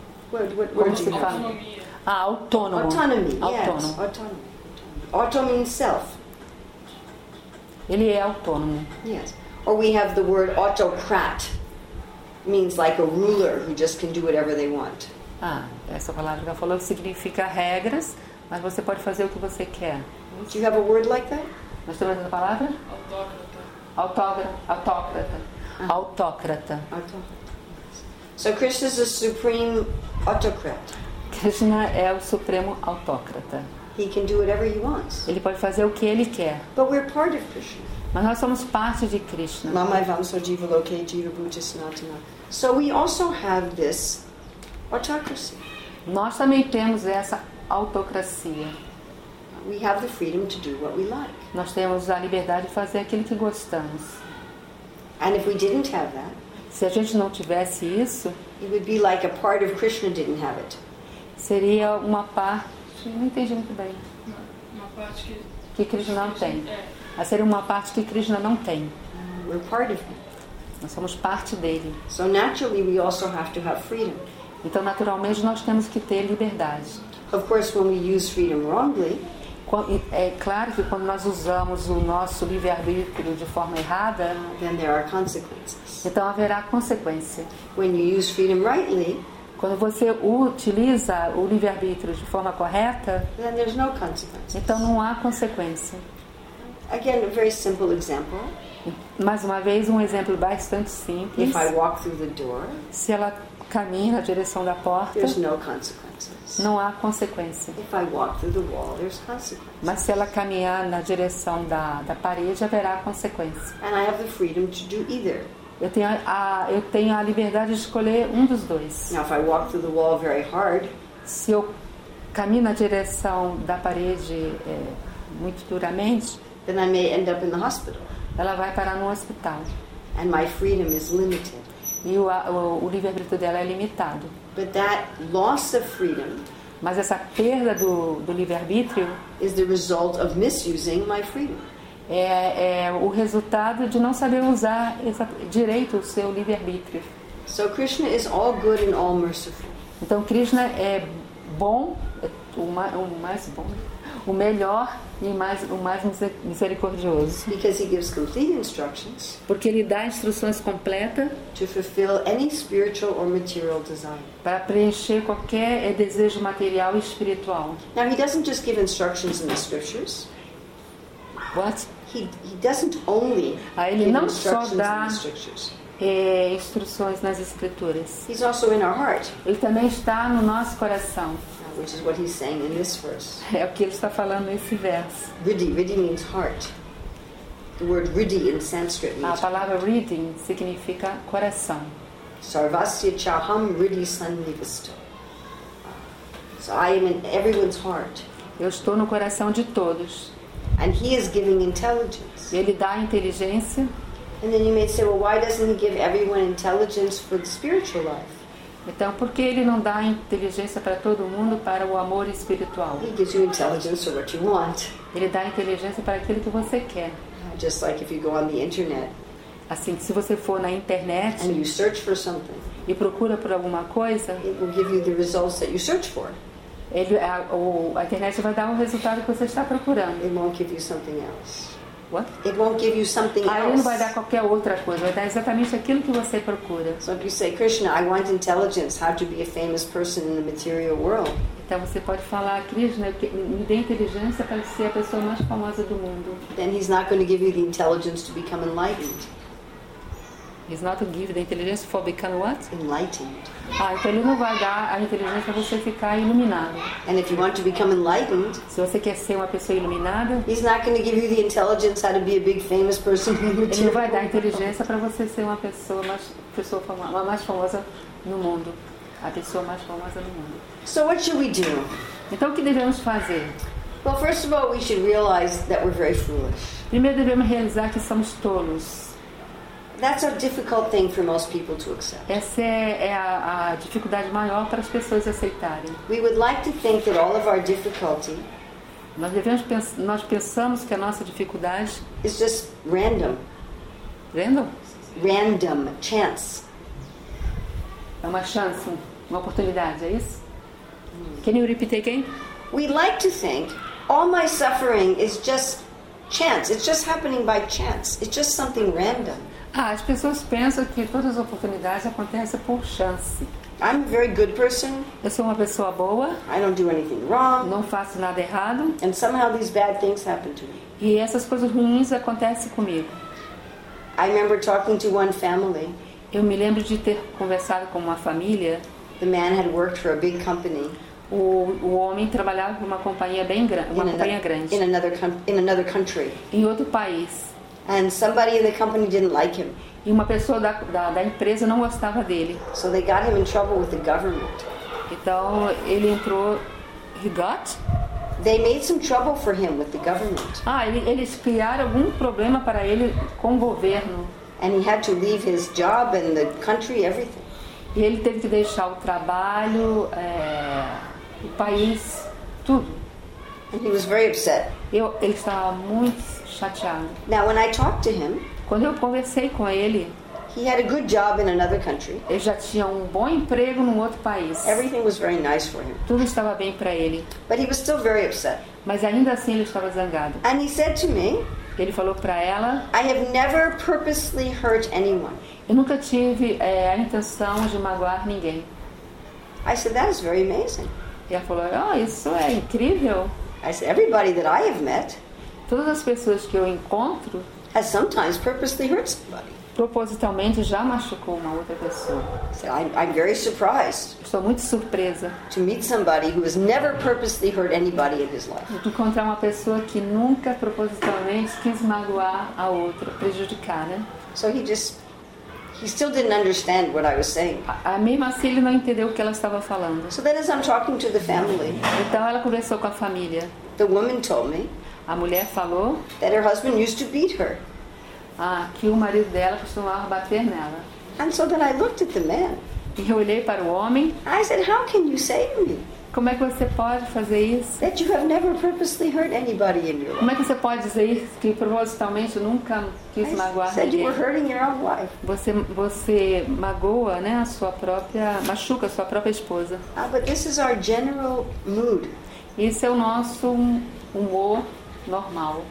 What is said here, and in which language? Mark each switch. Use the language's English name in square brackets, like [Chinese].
[English] What do you have? Autonomy. Autonomy. Autonomy. Auto means self. [Portuguese] Ele é autônomo. [English] Yes. Or we have the word autocrat, means like a ruler who just can do whatever they want. [Portuguese] Essa palavra que eu falou significa regras, mas você pode fazer o que você quer. [English] Do you have a word like that? [Portuguese] Nós temos essa palavra? Autócrata. Autócrata. [English] Autócrata. So Krishna is the supreme autocrat. [Portuguese] Krishna é o supremo autócrata. [English] He can do whatever he wants. [Portuguese] Ele pode fazer o que ele quer. [English] But we're part of Krishna. [Portuguese] Mas nós somos parte de Krishna. [Sanskrit] Mamai vamso jiva loke jiva bhuta sanatana. [English] So we also have this autocracy. [Portuguese] Nós também temos essa autocracia. [English] We have the freedom to do what we like. [Portuguese] Nós temos a liberdade de fazer aquilo que gostamos. [English] And if we didn't have that, [Portuguese] se a gente não tivesse isso, [English] it would be like a part of Krishna didn't have it. [Portuguese] Seria uma parte, não entendi muito bem. Uma parte que Krishna não tem. É. Seria uma parte que Krishna não tem. [English] We're part of him. [Portuguese] Nós somos parte dele. [English] So naturally we also have to have freedom. [Portuguese] Então naturalmente nós temos que ter liberdade. [English] Of course, when we use freedom wrongly, [Portuguese] é claro que quando nós usamos o nosso livre-arbítrio de forma errada, [English] then there are consequences. [Portuguese] Então haverá consequência. [English] When you use freedom rightly, [Portuguese] quando você utiliza o livre-arbítrio de forma correta, [English] then there's no consequences. [Portuguese] Então não há consequência. [English] Again, a very simple example. [Portuguese] Mais uma vez, um exemplo bastante simples. [English] If I walk through the door, [Portuguese] se ela caminha na direção da porta, [English] there's no consequences. [Portuguese] Não há consequência. [English] If I walk through the wall, there's consequences. [Portuguese] Mas se ela caminhar na direção da parede, haverá consequência. [English] And I have the freedom to do either. [Portuguese] Eu tenho a liberdade de escolher um dos dois. [English] Now, if I walk through the wall very hard, [Portuguese] se eu caminho na direção da parede muito duramente, [English] then I may end up in the hospital. [Portuguese] Ela vai parar no hospital. [English] And my freedom is limited. [Portuguese] E o livre-arbítrio dela é limitado. [English] But that loss of freedom, [Portuguese] mas essa perda do livre-arbítrio, [English] is the result of misusing my freedom. [Portuguese] É o resultado de não saber usar esse direito, o seu livre-arbítrio. [English] So Krishna is all good and all merciful. [Portuguese] Então Krishna é bom, o mais bom, o melhor e o mais misericordioso. [English] Because he gives complete instructions. [Portuguese] Porque ele dá instruções completas. [English] To fulfill any spiritual or material desire. [Portuguese] Para preencher qualquer desejo material e espiritual. [English] Now he doesn't just give instructions in the scriptures. What? He doesn't only give instructions in the scriptures. [Portuguese] Instruções nas escrituras. [English] He's also in our heart. [Portuguese] Ele também está no nosso coração. [English] Which is what he's saying in this verse. [Portuguese] É o que ele está falando nesse verso. [English] Riddhi means heart. The word riddhi in Sanskrit means. [Portuguese] A palavra riddhi significa coração. [Sanskrit] Sarvasya chaham riddhi sannivasto. [English] So I am in everyone's heart. [Portuguese] Eu estou no coração de todos. [English] And he is giving intelligence. [Portuguese] Ele dá inteligência. [English] And then you may say, well, why doesn't he give everyone intelligence for the spiritual life? [Portuguese] Então, por que ele não dá inteligência para todo mundo para o amor espiritual? [English] He gives you intelligence for what you want. [Portuguese] Ele dá inteligência para aquilo que você quer. [English] Just like if you go on the internet. [Portuguese] Assim, se você for na internet [English] and you search for something, [Portuguese] e procura por alguma coisa, [English] it will give you the results that you search for. [Portuguese] A internet vai dar o resultado que você está procurando. [English] It won't give you something else. What? It won't give you something else. [Portuguese] Não vai dar qualquer outra coisa. Vai dar exatamente aquilo que você procura. [English] So if you say, Krishna, I want intelligence. How to be a famous person in the material world? [Portuguese] Então você pode falar, Krishna, me dê inteligência para ser a pessoa mais famosa do mundo. [English] Then he's not going to give you the intelligence to become enlightened. He's not going to give the intelligence for becoming what? Enlightened. [Portuguese] Então ele não vai dar a inteligência para você ficar iluminado. [English] And if you want to become enlightened, [Portuguese] se você quer ser uma pessoa iluminada, [English] he's not going to give you the intelligence how to be a big famous person. [Portuguese] Ele não vai dar inteligência para você ser uma pessoa mais famosa no mundo. A pessoa mais famosa no mundo. [English] So what should we do? [Portuguese] Então o que devemos fazer? [English] Well, first of all, we should realize that we're very foolish. [Portuguese] Primeiro devemos realizar que somos tolos. [English] That's a difficult thing for most people to accept. [Portuguese] Essa é a dificuldade maior para as pessoas aceitarem. [English] We would like to think that all of our difficulty. [Portuguese] Nós pensamos que a nossa dificuldade [English] is just random. Random? Random chance. [Portuguese] É uma chance, uma oportunidade, é isso? [English] Can you repeat again? We like to think all my suffering is just chance. It's just happening by chance. It's just something random. [Portuguese] As pessoas pensam que todas as oportunidades acontecem por chance. [English] I'm a very good person. [Portuguese] Eu sou uma pessoa boa. [English] I don't do anything wrong. [Portuguese] Não faço nada errado. [English] And somehow these bad things happen to me. [Portuguese] E essas coisas ruins acontecem comigo. [English] I remember talking to one family. [Portuguese] Eu me lembro de ter conversado com uma família. [English] The man had worked for a big company. [Portuguese] O homem trabalhava para uma companhia bem grande, [English] in another country. [Portuguese] Em outro país. [English] And somebody in the company didn't like him. [Portuguese] E uma pessoa da empresa não gostava dele. [English] So they got him in trouble with the government. [Portuguese] Então ele entrou. [English] He got? They made some trouble for him with the government. [Portuguese] Eles criaram algum problema para ele com o governo. [English] And he had to leave his job and the country, everything. [Portuguese] E ele teve que deixar o trabalho, o país, tudo. [English] And he was very upset. [Portuguese] Ele estava muito chateado. [English] Now, when I talked to him, [Portuguese] quando eu conversei com ele, [English] he had a good job in another country. [Portuguese] Ele já tinha um bom emprego num outro país. [English] Everything was very nice for him. [Portuguese] Tudo estava bem para ele. [English] But he was still very upset. [Portuguese] Mas ainda assim ele estava zangado. [English] And he said to me, [Portuguese] ele falou para ela, [English] I have never purposely hurt anyone. [Portuguese] Eu nunca tive a intenção de magoar ninguém. [English] I said, that is very amazing. [Portuguese] E ela falou, isso é incrível. [English] I said, everybody that I have met, [Portuguese] todas as pessoas que eu encontro, [English] has sometimes purposely hurt somebody. [Portuguese] Propositalmente já machucou uma outra pessoa. [English] So I'm very surprised. [Portuguese] Estou muito surpresa. [English] To meet somebody who has never purposely hurt anybody in his life. [Portuguese] De encontrar uma pessoa que nunca propositalmente quis magoar a outra, prejudicar, né? [English] So he still didn't understand what I was saying. [Portuguese] Mesmo assim, ele não entendeu o que ela estava falando. [English] So then, as I'm talking to the family, [Portuguese] então ela conversou com a família. [English] The woman told me. [Portuguese] A mulher falou [English] that her husband used to beat her. [Portuguese] Que o marido dela costumava bater nela. [English] And so then I looked at the man. [Portuguese] E eu olhei para o homem. [English] I said, how can you save me? [Portuguese] Como é que você pode fazer isso? [English] That you have never purposely hurt anybody in your life. [Portuguese] Como é que você pode dizer isso que propositalmente nunca quis magoar ninguém? [English] Said you were hurting your own wife. [Portuguese] Você magoa, né, a sua própria, machuca a sua própria esposa. [English] Ah, but this is our general mood. [Portuguese] Esse é o nosso humor normal.